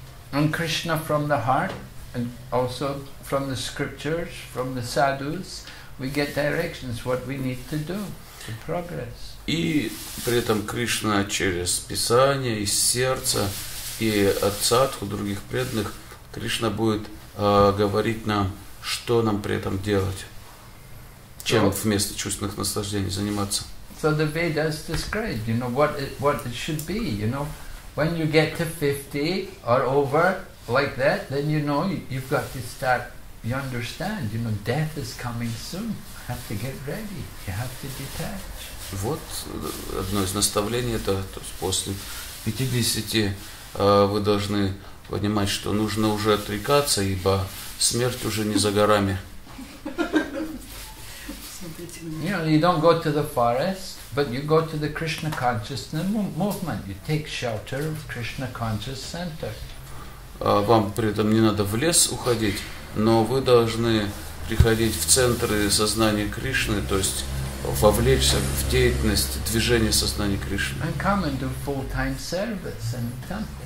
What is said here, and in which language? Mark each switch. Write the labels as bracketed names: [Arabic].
[English] And Krishna from the heart, and also from the scriptures, from the sadhus, we get directions what we need to do to progress. [Russian] И при этом Кришна через Писание, из сердца и от садху, других преданных, Кришна будет говорить нам, что нам при этом делать, чем вместо чувственных наслаждений заниматься. [English] So the Vedas describe, you know, what it should be, you know. When you get to 50 or over like that, then you know you've got to start. You understand, you know, death is coming soon. You have to get ready. You have to detach. [Russian] Вот одно из наставлений это, то есть после 50 вы должны понимать, что нужно уже отрекаться, ибо смерть уже не за горами. [English] You know, you don't go to the forest, but you go to the Krishna consciousness movement. You take shelter of Krishna conscious center. [Russian] Вам при этом не надо в лес уходить. Но вы должны приходить в центры сознания Кришны, то есть вовлечься в деятельность движения сознания Кришны. [English] And come and do full-time service and